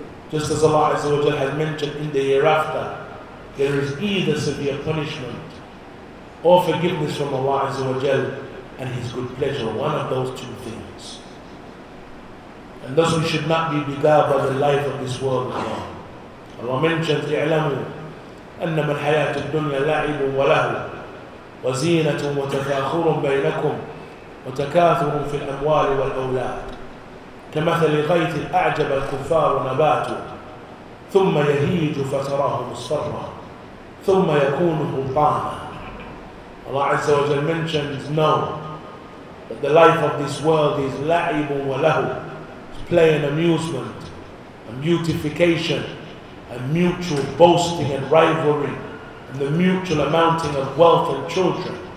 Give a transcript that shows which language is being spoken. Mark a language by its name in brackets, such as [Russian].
[English] Just as Allah Azza wa Jal has mentioned, in the hereafter, there is either severe punishment or forgiveness from Allah Azza wa Jal and His good pleasure, one of those two things. And thus we should not be beguiled by the life of this world alone. Allah mentions, [Arabic] اِعْلَمُوا أَنَّمَا الْحَيَاةُ الدُّنْيَا لَعِبٌ وَلَهُ وَزِينَةٌ وَتَفَاخُرٌ بَيْنَكُمْ وَتَكَاثُرٌ فِي الْأَمْوَالِ وَالْأَوْلَادِ كَمَثَلِ غَيْثٍ أَعْجَبَ الْكُفَّارُ نَبَاتُهُ ثم يهيج فتراه مصفرا ثم يكون حطاما. [English] Allah Azza wa Jal mentions, no, that the life of this world is [Arabic] لعب ولهو, [English] play and amusement, a beautification, a mutual boasting and rivalry, and the mutual amounting of wealth and children.